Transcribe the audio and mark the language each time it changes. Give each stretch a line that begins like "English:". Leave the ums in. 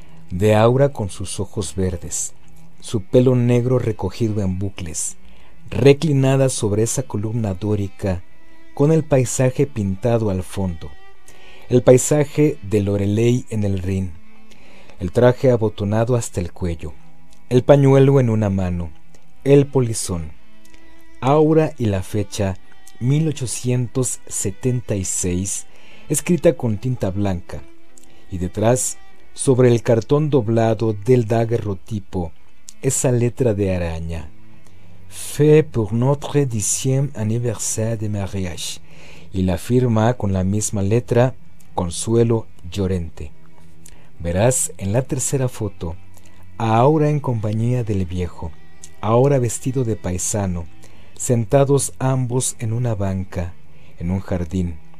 Spanish: De Aura con sus ojos verdes, su pelo negro recogido en bucles, reclinada sobre esa columna dórica, con el paisaje pintado al fondo el paisaje de Loreley en el Rin, el traje abotonado hasta el cuello, el pañuelo en una mano, el polizón, aura y la fecha 1876, escrita con tinta blanca, y detrás, sobre el cartón doblado del daguerrotipo, esa letra de araña.
French: Fait pour notre dixième anniversaire de mariage.
Spanish: Y la firma con la misma letra Consuelo Llorente. Verás en la tercera foto a Aura en compañía del viejo, ahora vestido de paisano, sentados ambos en una banca, en un jardín.